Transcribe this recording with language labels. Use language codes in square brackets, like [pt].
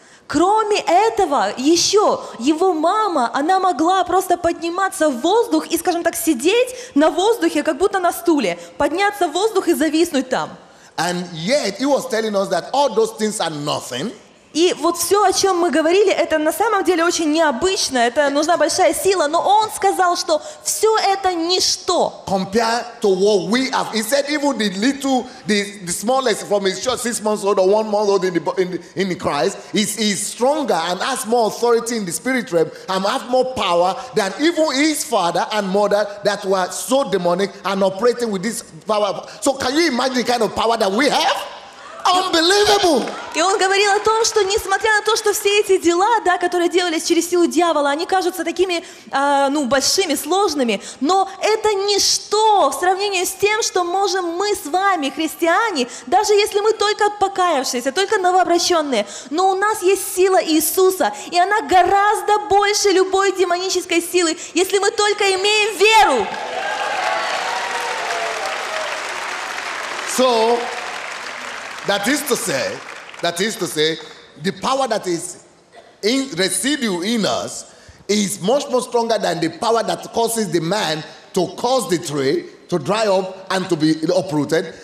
[ru] Кроме этого, еще его мама, она могла просто подниматься в воздух и, скажем так, сидеть на воздухе, как будто на стуле, подняться в воздух и зависнуть там. [en] And yet he was telling us that all those things are nothing. [ru] И вот все, о чем мы говорили, это на самом деле очень необычно, это нужна большая сила, но он сказал, что все это ничто. [en] Compared to what we have. He said even the little, the smallest from his church, 6 months old or 1 month old in Christ, is stronger and has more authority in the spirit realm and has more power than even his father and mother that were so demonic and operating with this power. So can you imagine the kind of power that we have? [ru] И он говорил о том, что несмотря на то, что все эти дела, да, которые делались через силу дьявола, они кажутся такими, ну, большими, сложными, но это ничто в сравнении с тем, что можем мы с вами, христиане, даже если мы только покаявшиеся, только новообращенные, но у нас есть сила Иисуса, и она гораздо больше любой демонической силы, если мы только имеем веру. [en] So, That is to say, the power that is in residue in us is much more stronger than the power that causes the man to cause the tree to dry up and to be uprooted.